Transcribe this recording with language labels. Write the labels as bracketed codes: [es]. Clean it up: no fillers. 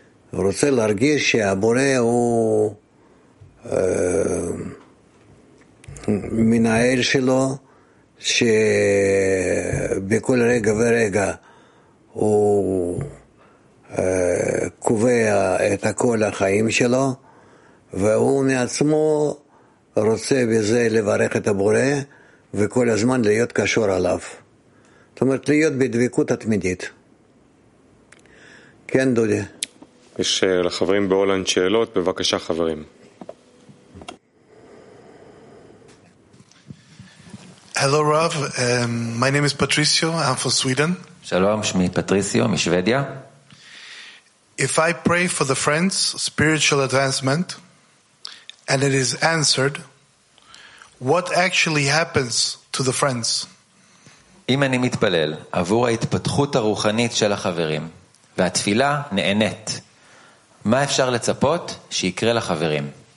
[he] הוא רוצה להרגיש שהבורא הוא מנהל שלו, שבכל רגע ורגע הוא קובע את כל החיים שלו, והוא מעצמו רוצה בזה לברך את הבורא וכל הזמן להיות קשור עליו. זאת אומרת, להיות בדבקות התמידית. כן, דודי. יש לחברים בהולנד שאלות, בבקשה חברים. [en] Hello Rav, my name is Patricio, I'm from Sweden. [he] שלום, שמי פטריסיו, משוודיה. [en] If I pray for the friends spiritual advancement and it is answered, what actually happens to the friends? [he] אם אני מתפלל עבור ההתפתחות הרוחנית של החברים והתפילה נענית, מה אפשר לצפות שיקרה לחברים?